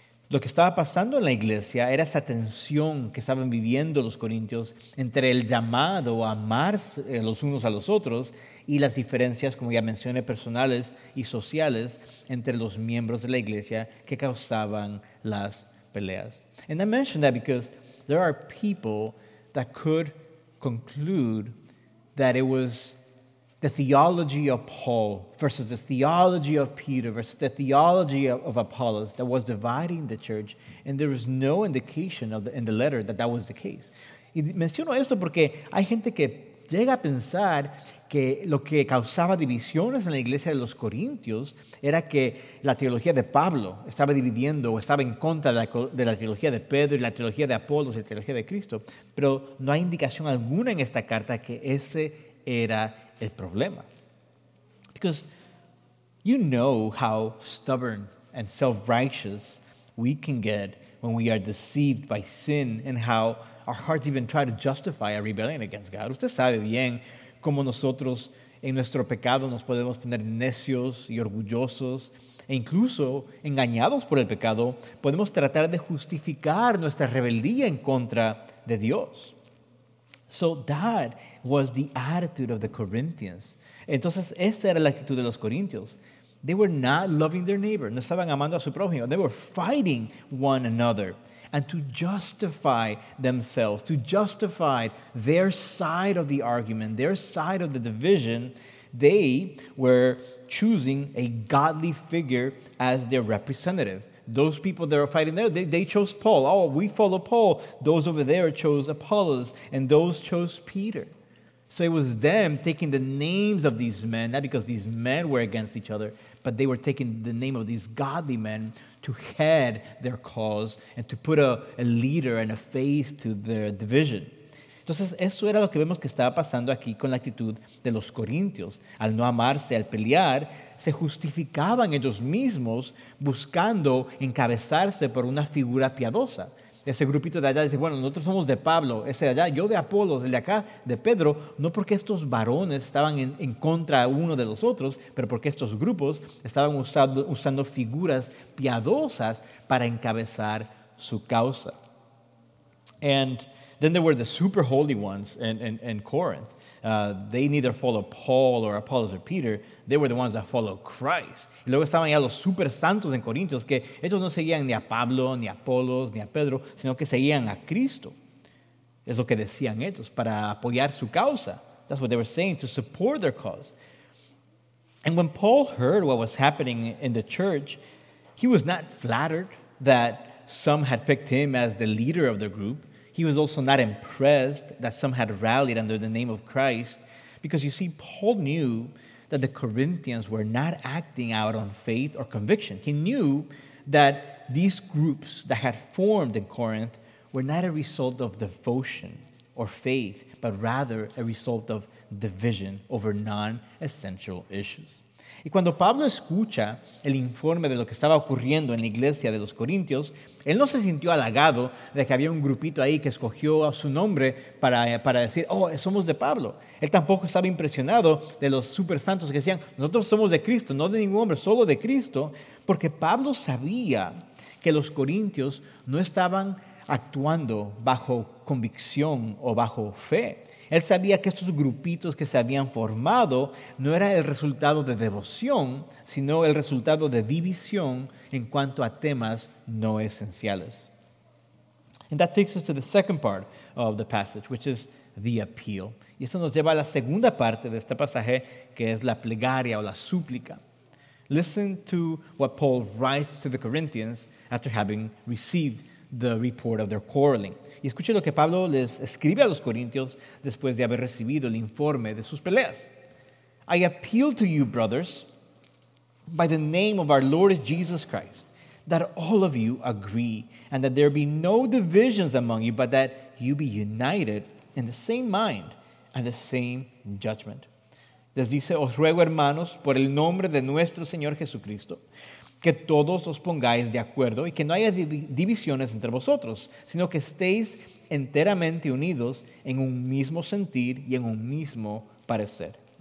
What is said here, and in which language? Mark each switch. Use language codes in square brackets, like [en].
[es] Lo que estaba pasando en la iglesia era esa tensión que estaban viviendo los corintios entre el llamado a amarse los unos a los otros y las diferencias, como ya mencioné, personales y sociales entre los miembros de la iglesia que causaban las peleas. [en] And I mention that because there are people that could conclude that it was the theology of Paul versus the theology of Peter versus the theology of Apollos that was dividing the church, and there was no indication of in the letter that that was the case. [es] Y menciono esto porque hay gente que llega a pensar que lo que causaba divisiones en la iglesia de los corintios era que la teología de Pablo estaba dividiendo o estaba en contra de la teología de Pedro y la teología de Apolos y la teología de Cristo, pero no hay indicación alguna en esta carta que ese era el problema. [en] Because you know how stubborn and self-righteous we can get when we are deceived by sin and how our hearts even try to justify a rebellion against God. [es] Usted sabe bien cómo nosotros en nuestro pecado nos podemos poner necios y orgullosos e incluso engañados por el pecado, podemos tratar de justificar nuestra rebeldía en contra de Dios. [en] So that was the attitude of the Corinthians. [es] Entonces, esa era la actitud de los corintios. [en] They were not loving their neighbor. [es] No estaban amando a su prójimo. [en] They were fighting one another. And to justify themselves, to justify their side of the argument, their side of the division, they were choosing a godly figure as their representative. Those people that are fighting there, they chose Paul. Oh, we follow Paul. Those over there chose Apollos, and those chose Peter. So it was them taking the names of these men, not because these men were against each other, but they were taking the name of these godly men to head their cause and to put a leader and a face to their division. [es] Entonces, eso era lo que vemos que estaba pasando aquí con la actitud de los corintios. Al no amarse, al pelear, se justificaban ellos mismos buscando encabezarse por una figura piadosa. Ese grupito de allá dice, bueno, nosotros somos de Pablo, ese de allá, yo de Apolos, el de acá, de Pedro, no porque estos varones estaban en contra uno de los otros, pero porque estos grupos estaban usando figuras piadosas para encabezar su causa. [en] And then there were the super holy ones in Corinth. They neither follow Paul or Apollos or Peter. They were the ones that follow Christ. [es] Y luego estaban ya los super santos en Corintios, que ellos no seguían ni a Pablo, ni a Apolos, ni a Pedro, sino que seguían a Cristo. Es lo que decían ellos, para apoyar su causa. [en] That's what they were saying, to support their cause. And when Paul heard what was happening in the church, he was not flattered that some had picked him as the leader of the group. He was also not impressed that some had rallied under the name of Christ, because you see, Paul knew that the Corinthians were not acting out on faith or conviction. He knew that these groups that had formed in Corinth were not a result of devotion or faith, but rather a result of division over non-essential issues. [es] Y cuando Pablo escucha el informe de lo que estaba ocurriendo en la iglesia de los Corintios, él no se sintió halagado de que había un grupito ahí que escogió a su nombre para decir, oh, somos de Pablo. Él tampoco estaba impresionado de los supersantos que decían, nosotros somos de Cristo, no de ningún hombre, solo de Cristo, porque Pablo sabía que los corintios no estaban actuando bajo convicción o bajo fe. Él sabía que estos grupitos que se habían formado no era el resultado de devoción, sino el resultado de división en cuanto a temas no esenciales. [en] And that takes us to the second part of the passage, which is the appeal. [es] Y esto nos lleva a la segunda parte de este pasaje, que es la plegaria o la súplica. [en] Listen to what Paul writes to the Corinthians after having received the report of their quarreling. [es] Y escuche lo que Pablo les escribe a los corintios después de haber recibido el informe de sus peleas. [en] I appeal to you, brothers, by the name of our Lord Jesus Christ, that all of you agree and that there be no divisions among you, but that you be united in the same mind and the same judgment. [es] Les dice, os ruego, hermanos, por el nombre de nuestro Señor Jesucristo, que todos os pongáis de acuerdo y que no haya divisiones entre vosotros, sino que estéis enteramente unidos en un mismo sentir y en un mismo parecer.